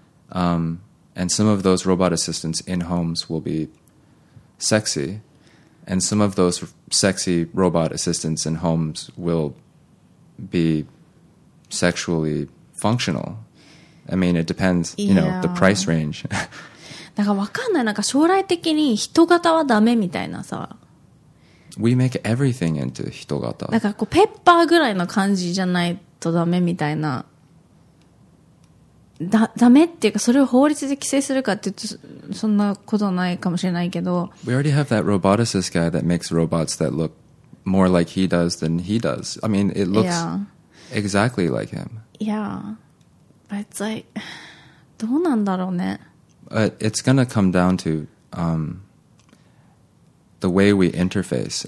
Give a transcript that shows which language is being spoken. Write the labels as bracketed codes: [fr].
[en] And some of those robot assistants in homes will be sexy. And some of those sexy robot assistants in homes will be sexually functional. I mean, it depends, you know, the price range. [ja] なんかわかんない。なんか将来的に人型はダメみたいなさ。 [en] We make everything into 人型。 [ja] なんかこうペッパーぐらいの感じじゃないとダメみたいな。ダメっていうかそれを法律で規制するかって言うとそんなことないかもしれないけど。 [en] We already have that roboticist guy that makes robots that look more like he does than he does. I mean, it looks exactly like him. Yeah. But it's like, [ja] どうなんだろうね。 [en] But it's going to come down to the way we interface.